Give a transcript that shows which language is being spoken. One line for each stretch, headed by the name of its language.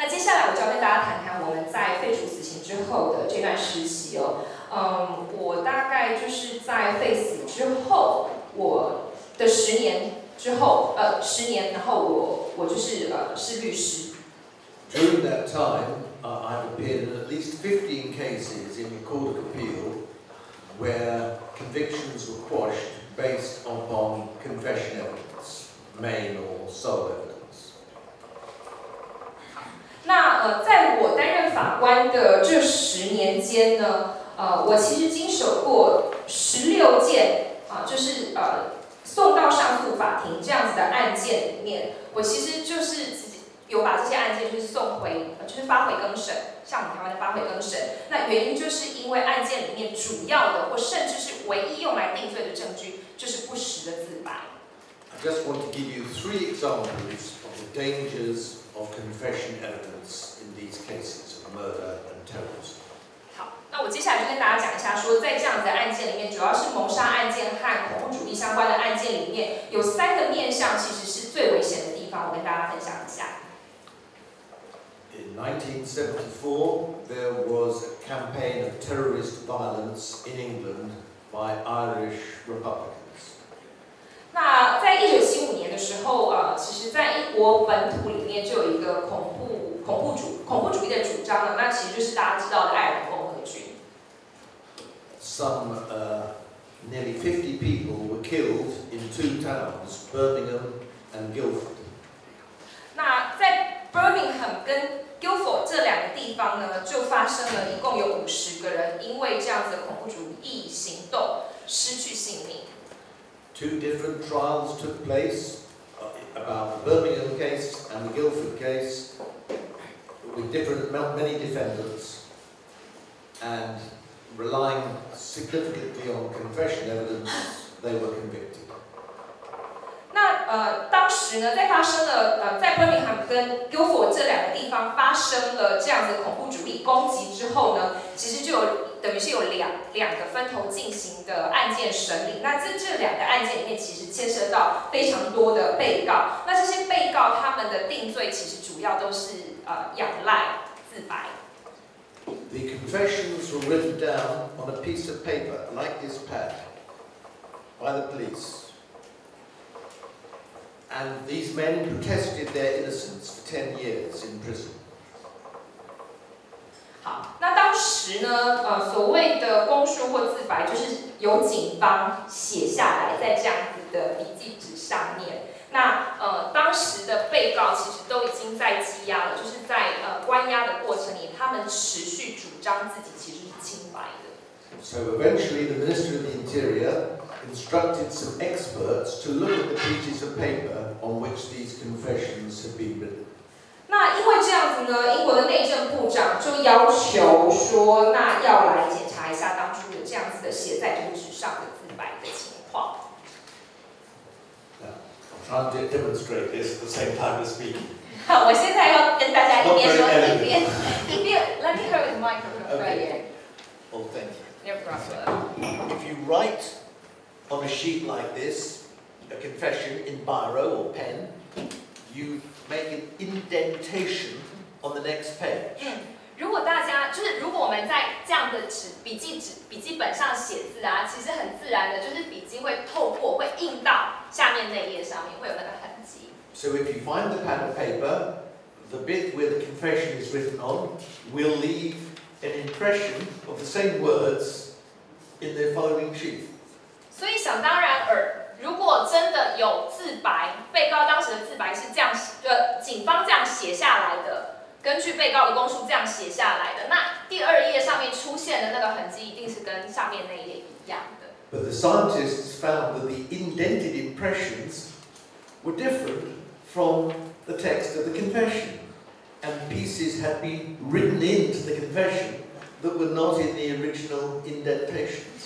Chinese: 那接下来我就要跟大家谈谈我们在废除死刑之后的这段实习哦。我大概就是在废死之后，我的十年之后，十年，然后我就是是律师。
English: During that time, I've appeared in at least 15 cases in the Court of Appeal where convictions were quashed based upon confession evidence, main or sole evidence.
Chinese: 那在我担任法官的这十年间呢，我其实经手过16件就是送到上诉法庭这样子的案件里面，我其实就是有把这些案件就是送回，就是发回更审，像我们台湾的发回更审。那原因就是因为案件里面主要的或甚至是唯一用来定罪的证据，就是不实的自白。
English: I just want to give you three examples of the dangers of confession evidence in these cases of murder and terrorism.
Chinese: 好，那我接下来就跟大家讲一下说，在这样子的案件里面，主要是谋杀案件和恐怖主义相关的案件里面，有三个面向其实是最危险的地方，我跟大家分享一下。
English: In 1974, there was a campaign of terrorist violence in England by Irish Republicans.
Chinese: 那在1975年的时候啊，其实在英国本土里面就有一个恐怖主义的主张了，那其实就是大家知道的爱尔兰共和军。
English: Some nearly 50 people were killed in two towns, Birmingham and Guildford.
Chinese: 那在 Birmingham 跟Guildford 这两个地方呢，就发生了一共有50个人因为这样子的恐怖主义行动失去性命。
English: Two different trials took place about the Birmingham case and the Guildford case with different many defendants and relying significantly on confession evidence, they were convicted.
Chinese: 那当时呢，在发生了在伯明翰跟 Guildford 这两个地方发生了这样的恐怖主义攻击之后呢，其实就有等于是有两个分头进行的案件审理。那在这两个案件里面，其实牵涉到非常多的被告。那这些被告他们的定罪，其实主要都是仰赖自白。
English: The confessions were written down on a piece of paper like this pad by the police. And these men protested their innocence for 10 years in prison.
Chinese: 好，那当时呢，所谓的供述或自白，就是由警方写下来在这样子的笔记纸上面。那当时的被告其实都已经在羁押了，就是在关押的过程里，他们持续主张自己其实是清白的。
English: So eventually, the Minister of the Interior. Instructed some experts to look at the pieces of paper on which these confessions had been written.
Chinese: 那因为这样子呢，英国的内政部长就要求说，那要来检查一下当初有这样子的写在这个纸上的自白的情况。
English: Now, I'm trying to demonstrate this at the same time as speaking.
Chinese: 好，我现在要跟大家一边说一边 ，
English: Let me hold the microphone right here. Oh, thank you. No problem. If you write. On a sheet like this, a confession in biro or pen, you make an indentation on the next page.
Chinese: 如果大家就是如果我们在这样的笔记本上写字啊，其实很自然的，就是笔记会透过，会印到下面那页上面，会有那个痕迹。
English: So if you find the pad of paper, the bit where the confession is written on will leave an impression of the same words in the following sheet.
Chinese: 所以想当然而如果真的有自白，被告当时的自白是这样，警方这样写下来的，根据被告的供述这样写下来的，那第二页上面出现的那个痕迹一定是跟上面那一页一样的。
English: But the scientists found that the indented impressions were different from the text of the confession, and pieces had been written into the confession that were not in the original indentation.